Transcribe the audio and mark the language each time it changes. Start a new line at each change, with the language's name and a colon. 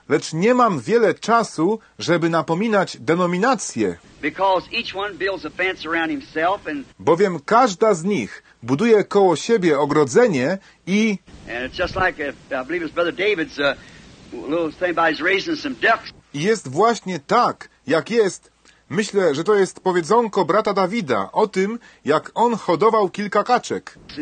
Polish: Lecz nie mam wiele czasu, żeby napominać denominacje.
English: Because each one builds a fence around himself and
Polish: bowiem każda z nich buduje koło siebie ogrodzenie i
English: and it's just like I believe it's Brother David's little thing by his raising some ducks.
Polish: Jest właśnie tak, jak jest. Myślę, że to jest powiedzonko brata Dawida o tym, jak on hodował kilka kaczek.